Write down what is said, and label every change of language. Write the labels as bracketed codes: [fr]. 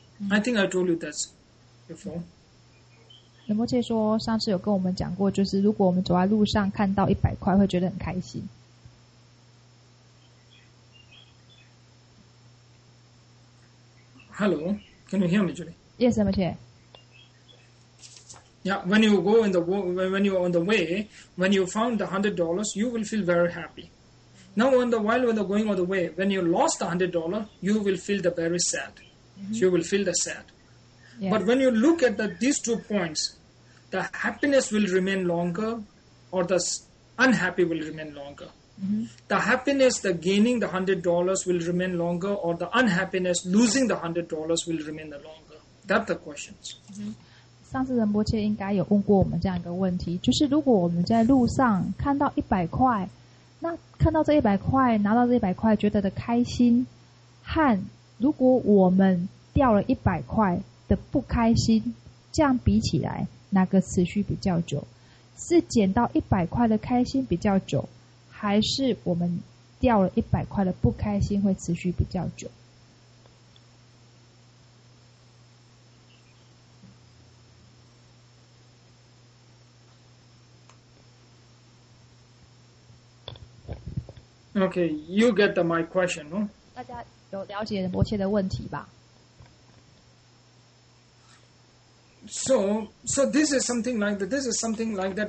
[en] I think I told you that before. [zh] 仁波切说上次有跟我们讲过，就是如果我们走在路上看到100块会觉得很开心。 [en] Hello, can you hear me, Julie? Yes, I'm here. Yeah, when you go in the, when you're on the way, when you found the $100, you will feel very happy. Now, on the while when they're going all the way, when you lost the $100, you will feel the very sad. Mm-hmm. So you will feel the sad. Yes. But when you look at these two points, the happiness will remain longer or the unhappy will remain longer. Mm-hmm. The happiness, the gaining the $100 will remain longer or the unhappiness, losing the $100 will remain the longer. That's the questions. Mm-hmm. [zh] 上次仁波切应该有问过我们这样一个问题，就是如果我们在路上看到100块，那看到这100块，拿到这100块觉得的开心，和如果我们掉了100块，的不开心，这样比起来哪个持续比较久，是捡到100块的开心比较久，还是我们掉了100块的不开心会持续比较久？ [en] Okay, you get my question, no? [zh] 大家有了解仁波切的问题吧？ [en] So this is something like that. This is something like that.